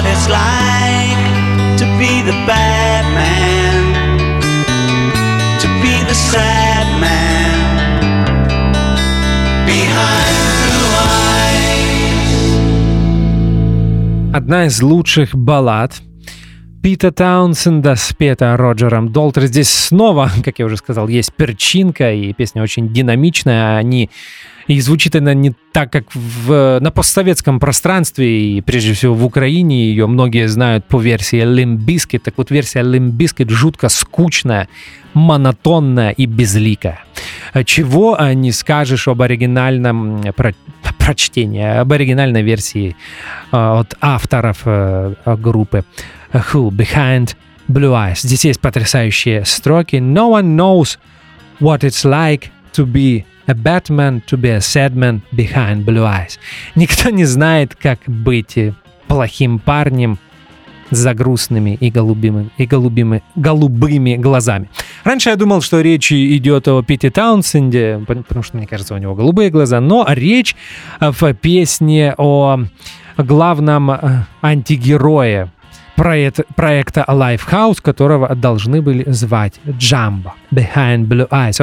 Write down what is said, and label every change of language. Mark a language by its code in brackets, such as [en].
[en] The bad man, to be the sad man behind blue eyes. [ru] Одна из лучших баллад Пита Таунсенда, спета Роджером Долтри. Здесь снова, как я уже сказал, есть перчинка, и песня очень динамичная, и звучит она не так, как на постсоветском пространстве, и прежде всего в Украине, ее многие знают по версии Limp Bizkit. Так вот, версия Limp Bizkit жутко скучная, монотонная и безликая. Чего не скажешь об оригинальном прочтении, об оригинальной версии от авторов группы Who Behind Blue Eyes. Здесь есть потрясающие строки. [en] No one knows what it's like to be a bad man, to be a sad man behind blue eyes. [ru] Никто не знает, как быть плохим парнем за грустными и голубыми глазами. Раньше я думал, что речь идет о Пите Таунсенде, потому что, мне кажется, у него голубые глаза, но речь в песне о главном антигерое проекта Lifehouse, которого должны были звать Джамбо, Behind Blue Eyes.